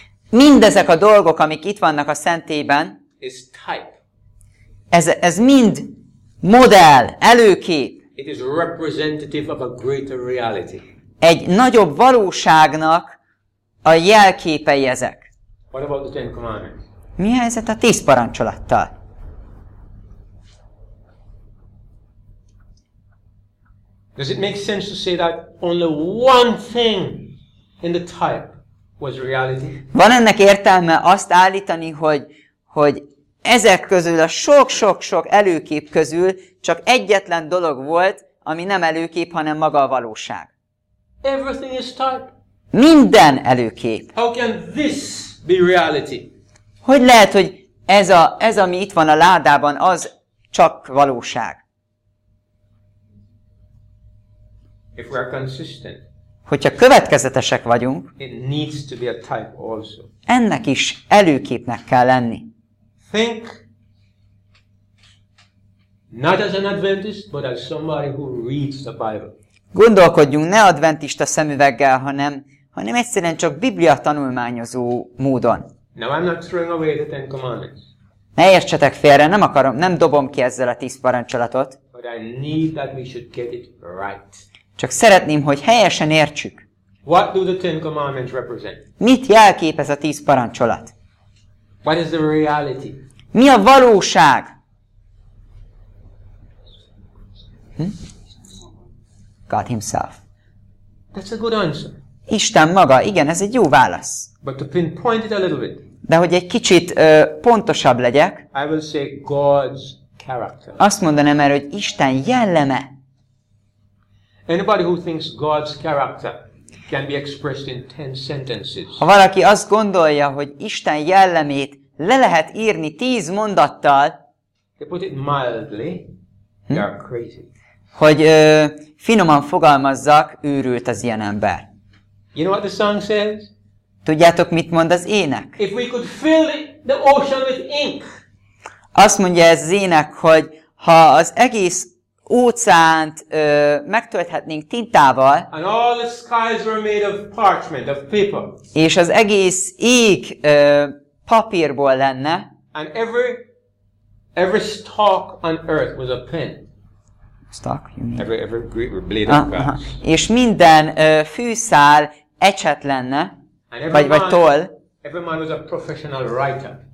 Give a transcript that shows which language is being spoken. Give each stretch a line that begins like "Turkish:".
Hungarian: Mindezek a dolgok, amik itt vannak a szentélyben,
English: is type.
Hungarian: Ez mind modell, előkép.
English: It is representative of a greater reality.
Hungarian: egy nagyobb valóságnak a jelképei ezek.
English: What about the Ten Commandments?
Hungarian: Mi a helyzet a 10 parancsolattal?
English: Does it make sense to say that only one thing in the type was reality?
Hungarian: Van ennek értelme azt állítani, hogy ezek közül, a sok-sok-sok előkép közül csak egyetlen dolog volt, ami nem előkép, hanem maga a valóság.
English: Everything is type.
Hungarian: Minden előkép.
English: How can this be reality?
Hungarian: Hogy lehet, hogy ez, ami itt van a ládában, az csak valóság?
English: If we are consistent,
Hungarian: hogyha következetesek vagyunk,
English: it needs to be a type also.
Hungarian: Ennek is előképnek kell lenni.
English: Think not as an Adventist, but as somebody who reads the Bible.
Hungarian: Gondolkodjunk ne adventista szemüveggel, hanem egyszerűen csak Biblia tanulmányozó módon.
English: Now I'm not throwing away the Ten Commandments.
Hungarian: Ne értsetek félre, nem dobom ki ezzel a 10 parancsolatot.
English: But I need that we should get it right.
Hungarian: Csak szeretném, hogy helyesen értsük.
English: What do the Ten Commandments represent?
Hungarian: Mit jelképez a 10 parancsolat?
English: What is the reality?
Hungarian: Mi a valóság?
English: God himself. That's a good answer.
Hungarian: Isten maga, igen, ez egy jó válasz.
English: But to pinpoint it a little bit.
Hungarian: De hogy egy kicsit pontosabb legyek,
English: I will say God's character.
Hungarian: Azt mondanám erre, hogy Isten jelleme.
English: Anybody who thinks God's character can be expressed in 10 sentences.
Hungarian: Ha valaki azt gondolja, hogy Isten jellemét le lehet írni 10 mondattal,
English: they put it mildly, they are crazy.
Hungarian: Hogy finoman fogalmazzak, őrült az ilyen ember.
English: You know what the song says?
Hungarian: Tudjátok, mit mond az ének?
English: If we could fill the ocean with ink.
Hungarian: Azt mondja ez az ének, hogy ha az egész óceánt megtölthetnénk tintával,
English: and all the skies were made of parchment, of paper.
Hungarian: És az egész ég papírból lenne,
English: and every stalk on earth was a pen. Stalk, you mean? Every great blade of grass.
Hungarian: És minden fűszál ecset lenne, vagy toll.
English: Every man was a professional writer.